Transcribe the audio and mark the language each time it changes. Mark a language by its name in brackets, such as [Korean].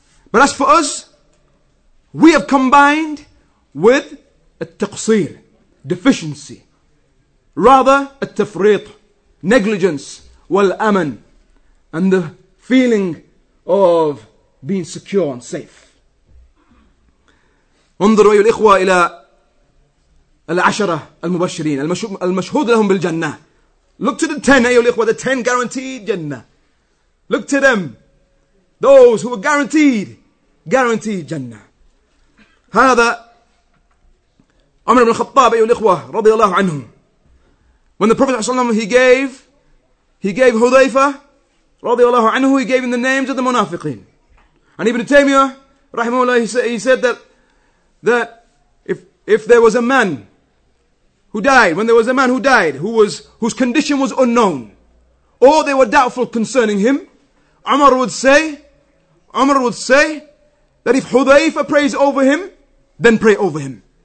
[English] But as for us, we have combined with التقصير, deficiency, rather التفريط, negligence, والأمن and the feeling of being secure and safe. [Arabic] انظروا أيها الإخوة إلى العشرة المبشرين المشهود لهم بالجنة. [English] Look to the 10 [Arabic] أيها الإخوة, [English] the 10 guaranteed جنة. Look to them. those who are guaranteed Jannah. [Arabic] هذا عمر بن الخطاب أيها الإخوة رضي الله عنه. [English] When the Prophet ﷺ he gave Hudhayfa [Arabic] رضي الله عنه, [English] he gave him the names of the munafiqin. And Ibn Taymiyyah rahimahullah, he said that if there was a man who died, when there was a man who died whose condition was unknown, or they were doubtful concerning him, Umar would say that if Hudhayfa prays over him, then pray over him.